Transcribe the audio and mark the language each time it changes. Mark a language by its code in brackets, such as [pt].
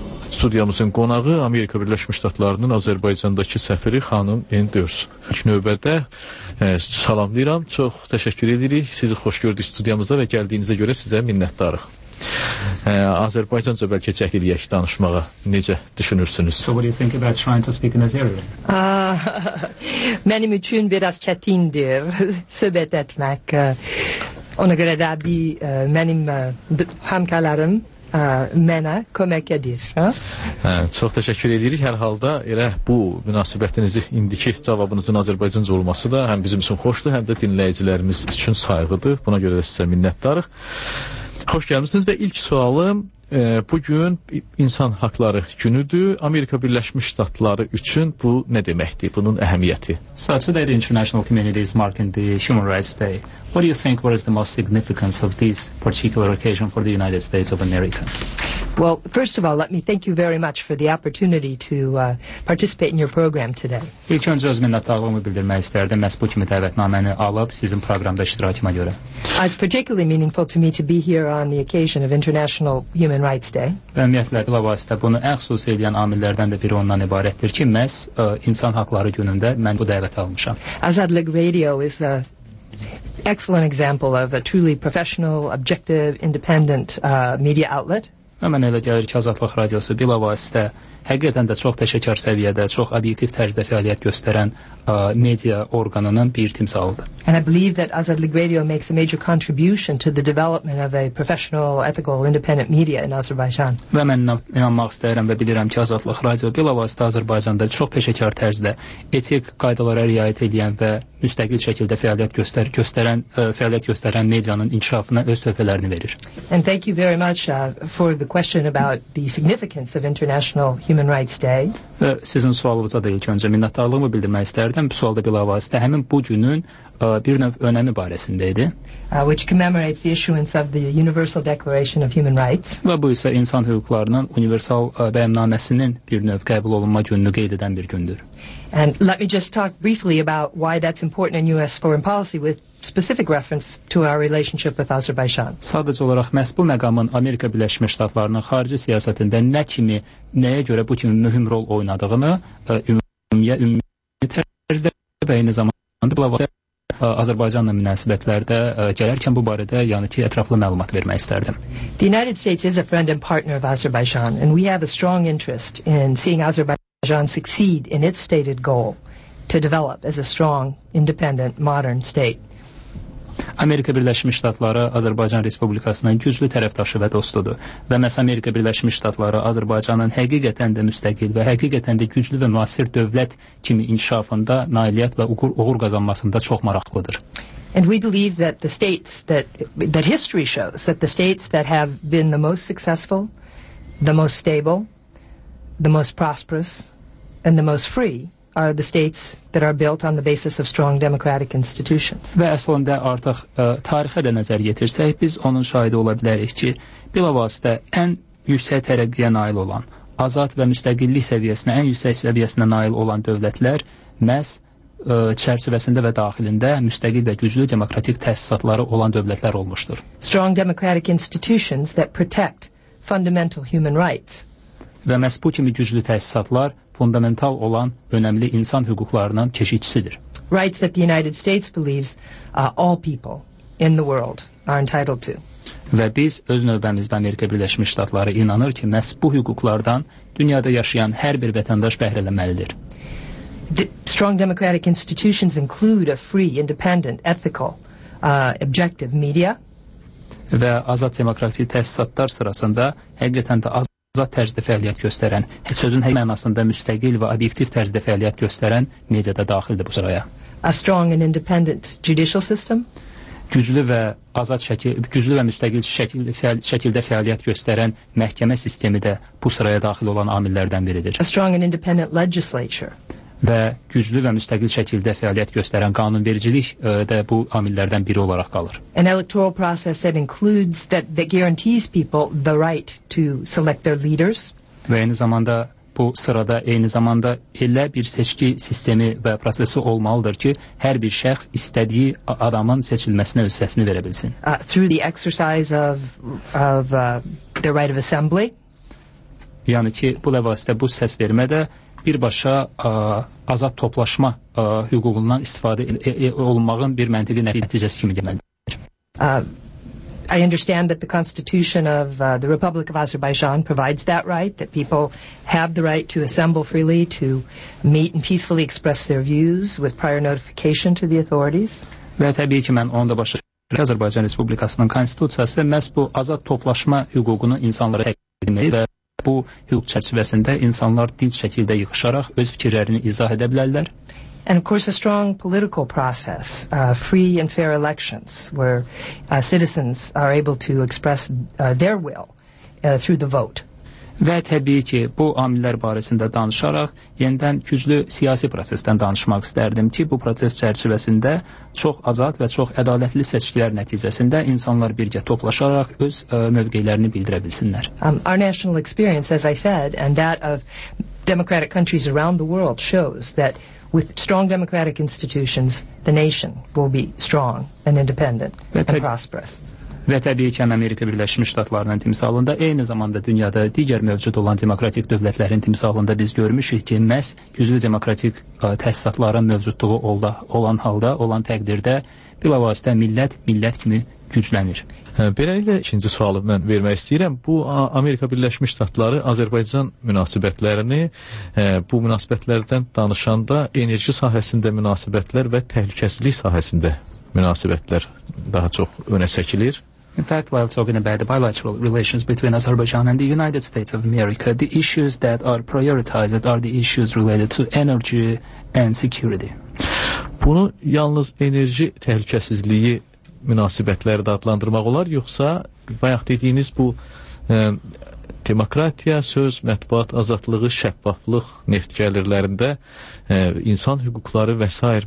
[az] Studiyamızın qonağı Amerika Birləşmiş Ştatlarının Azərbaycandakı səfiri xanım Endürs. İlk növbədə salamlayıram. Çox təşəkkür edirik. Sizi xoş gördük studiyamıza və gəldiyinizə görə sizə minnətdarıq. Azərbaycanca bəlkə çəkiliyək danışmağa. Necə düşünürsünüz? [en] So what do you think about trying to speak in Azeri? [az] Mənim üçün biraz çətindir söhbət etmək. Ona görə də bir mənim həmkarlarım mənə kömək edir. Çox təşəkkür edirik. Hər halda elə bu münasibətinizi indiki cavabınızın Azərbaycanca olması da həm bizim üçün xoşdur, həm də dinləyicilərimiz üçün sayğıdır. Buna görə də sizə minnətdarıq. Xoş gəlmişsiniz və ilk sualım, bugün insan haqları günüdür. Amerika Birləşmiş Ştatları üçün bu nə deməkdir, bunun əhəmiyyəti? [en] So today the international community is marking the Human Rights Day. What do you think, what is the most significance of this particular occasion for the United States of America? Well, first of all, let me thank you very much for the opportunity to participate in your program today. [az] İlk öncə öz minnətdarlığımı bildirmək istərdim, məhz bu kimi dəvətnaməni alıb sizin proqramda iştirakıma görə. [en] It's particularly meaningful to me to be here on the occasion of International Human Rights Day. [az] Və ümumiyyətlə, bilavasitə bunu ən xüsusi edən amillərdən də biri ondan ibarətdir ki, məhz insan haqları günündə mən bu dəvəti almışam. [en] Azadlıq Radio is the excellent example of a truly professional, objective, independent media outlet. [az] Mən elə gəlir ki, Azadlıq Radiosu bilavasitə həqiqətən də çox peşəkar səviyyədə, çox obyektiv tərzdə fəaliyyət göstərən media orqanının bir timsalıdır. [en] And I believe that Azadlıq Radio makes a major contribution to the development of a professional, ethical, independent media in Azerbaijan. [az] Və mən inanmaq istəyirəm və bilirəm ki, Azadlıq Radio bilavasitə Azərbaycanda çox peşəkar tərzdə etik qaydalara riayət edən və müstəqil şəkildə fəaliyyət göstərən medianın inkişafına öz töhfələrini verir. [en] And thank you very much for the question about the significance of International Human Rights Day. [az] Sizin sualınıza da ilk öncə minnətdarlığımı bildirmək istərdim. Bu sualda bilavasitə həmin bu günün bir növ önəmi barəsində idi. [en] Which commemorates the issuance of the Universal Declaration of Human Rights. [az] Və bu isə insan hüquqlarının universal bəyannaməsinin bir növ qəbul olunma gününü qeyd edən bir gündür. [en] And let me just talk briefly about why that's important in US foreign policy with specific reference to our relationship with Azerbaijan. [az] Sadəcə olaraq məhz bu məqamın Amerika Birləşmiş Ştatlarının xarici siyasətində nə kimi, nəyə görə bu kimi mühüm rol oynadığını ümumi tərzdə və eyni zamanda bilavasitə Azərbaycanla münasibətlərdə gələrkən bu barədə yəni ki ətraflı məlumat vermək istərdim. [en] The United States is a friend and partner of Azerbaijan and we have a strong interest in seeing Azerbaijan succeed in its stated goal to develop as a strong, independent, modern state. [az] Amerika Birləşmiş Ştatları Azərbaycan Respublikasının güclü tərəfdaşı və dostudur. Və məhz Amerika Birləşmiş Ştatları Azərbaycanın həqiqətən də müstəqil və həqiqətən də güclü və müasir dövlət kimi inkişafında nailiyyət və uğur qazanmasında çox maraqlıdır. [en] And we believe that the states that history shows that the states that have been the most successful, the most stable, the most prosperous, and the most free are the states that are built on the basis of strong democratic institutions. [az] Və əslində artıq tarixə də nəzər yetirsək, biz onun şahidi ola bilərik ki, bilavasitə ən yüksək tərəqqiyə nail olan, azad və müstəqillik səviyyəsinə, ən yüksək səviyyəsinə nail olan dövlətlər məhz çərçivəsində və daxilində müstəqil və güclü demokratik təsisatları olan dövlətlər olmuşdur. [en] Strong democratic institutions that protect fundamental human rights. [az] Və məhz bu kimi güclü təsisatlar fundamental olan önəmli insan hüquqlarının keşikçisidir. [en] Rights that the United States believes all people in the world are entitled to. [az] Və biz öz növbəmizdə Amerika Birləşmiş Ştatları inanır ki, məhz bu hüquqlardan dünyada yaşayan hər bir vətəndaş bəhrələnməlidir. [en] Strong democratic institutions include a free, independent, ethical, objective media. [az] Və azad demokratik təsisatlar sırasında həqiqətən də azad tərzdə fəaliyyət göstərən, sözün həqiqi mənasında müstəqil və obyektiv tərzdə fəaliyyət göstərən media da daxildir bu sıraya. [en] A strong and independent judicial system. [az] Güclü və azad güclü və müstəqil şəkildə fəaliyyət göstərən məhkəmə sistemi də bu sıraya daxil olan amillərdən biridir. [en] A strong and independent legislature. [az] Və güclü və müstəqil şəkildə fəaliyyət göstərən qanunvericilik də bu amillərdən biri olaraq qalır. [en] An electoral process that includes that guarantees people the right to select their leaders. [az] Və eyni zamanda bu sırada eyni zamanda elə bir seçki sistemi və prosesi olmalıdır ki, hər bir şəxs istədiyi adamın seçilməsinə öz səsini verə bilsin. [en] Through the exercise of the right of assembly. [az] Yəni ki, bu vasitə bu səs vermə də birbaşa azad toplaşma hüququndan istifadə olunmağın bir məntiqi nəticəsi kimi deməlidir. [en] I understand that the Constitution of the Republic of Azerbaijan provides that right, that people have the right to assemble freely, to meet and peacefully express their views with prior notification to the authorities. [az] Və təbii ki, mən onu da başa düşürəm. Azərbaycan Respublikasının Konstitusiyası məhz bu azad toplaşma hüququnu insanlara təqdim edir. Bu hüquq çərçivəsində insanlar dinc şəkildə yığışaraq öz fikirlərini izah edə bilərlər. [en] And of course a strong political process, free and fair elections where citizens are able to express their will through the vote. [az] Və təbii ki, bu amillər barəsində danışaraq yenidən güclü siyasi prosesdən danışmaq istərdim ki, bu proses çərçivəsində çox azad və çox ədalətli seçkilər nəticəsində insanlar birgə toplaşaraq öz mövqelərini bildirə bilsinlər. [en] Our national experience, as I said, and that of democratic countries around the world shows that with strong democratic institutions, the nation will be strong and independent and prosperous. [az] Və təbii ki, Amerika Birləşmiş Ştatlarının timsalında, eyni zamanda dünyada digər mövcud olan demokratik dövlətlərin timsalında biz görmüşük ki, məhz güclü demokratik təsisatların mövcudluğu olan halda, olan təqdirdə bilavasitə millət, millət kimi güclənir. Beləliklə, ikinci sualı mən vermək istəyirəm. Bu, Amerika Birləşmiş Ştatları Azərbaycan münasibətlərini, bu münasibətlərdən danışanda enerji sahəsində münasibətlər və təhlükəsizlik sahəsində münasibətlər daha çox önə çəkilir. [en] In fact, while talking about the bilateral relations between Azerbaijan and the United States of America, the issues that are prioritized are the issues related to energy and security. [az] Bunu yalnız enerji təhlükəsizliyi münasibətləri də adlandırmaq olar, yoxsa bayaq dediyiniz bu demokratiya, söz, mətbuat, azadlığı, şəffaflıq, neft gəlirlərində insan hüquqları və s.